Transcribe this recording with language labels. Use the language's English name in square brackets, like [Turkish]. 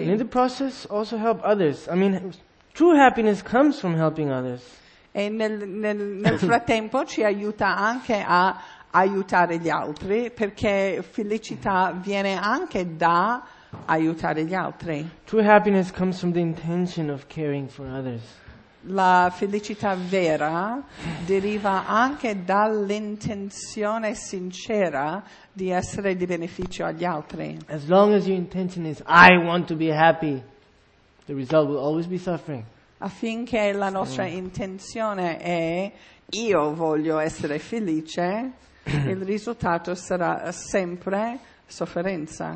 [English] And in the process also help others. I mean, true happiness comes from helping others. [Italian] E nel frattempo ci aiuta anche a aiutare gli altri, perché felicità viene anche da aiutare gli altri. [English] True happiness comes from the intention of caring for others. [Italian] La felicità vera deriva anche dall'intenzione sincera di essere di beneficio agli altri. [English] As long as your intention is I want to be happy, the result will always be suffering. [Italian] Affinché la nostra intenzione è io voglio essere felice, il risultato sarà sempre sofferenza.